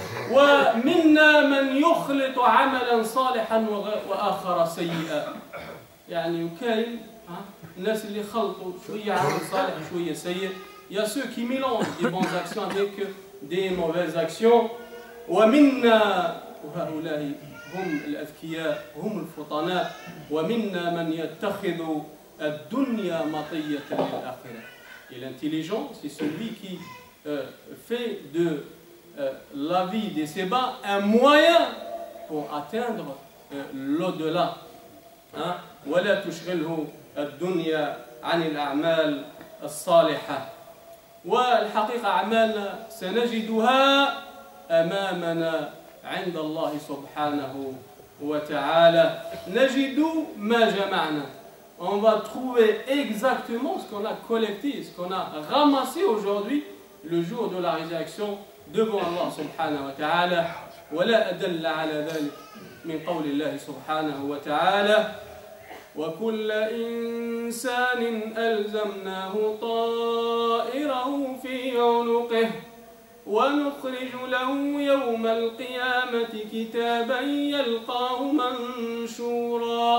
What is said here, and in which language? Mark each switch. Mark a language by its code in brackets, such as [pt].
[ar] Wa minna man yukhlitu 'amalan salihan wa akhara sayyi'a. يعني وكاين الناس اللي خلطوا شويه عمل صالح شويه سيء. [fr] Il y a ceux qui mélangent des bonnes actions avec des mauvaises actions. [ar] Wa minna وهؤلاء هم الأذكياء هم الفطناء ومنا من يتخذ الدنيا مطية للآخرة. [fr] Et l'intelligent, c'est celui qui fait de la vie des sébats un moyen pour atteindre l'au-delà. [ar] ولا تشغله الدنيا عن الأعمال الصالحة. والحقيقة أعمالنا سنجدها أمامنا عند الله سبحانه وتعالى نجد ما جمعنا. [fr] On va trouver exactement ce qu'on a collecté, ce qu'on a ramassé aujourd'hui le jour de la résurrection devant Allah سبحانه وتعالى. [ar] ولا أدل على ذلك من قول الله سبحانه وتعالى وكل إنسان ألزمناه طائره في عنقه ونخرج له يوم القيامة كتابا يلقاه منشورا.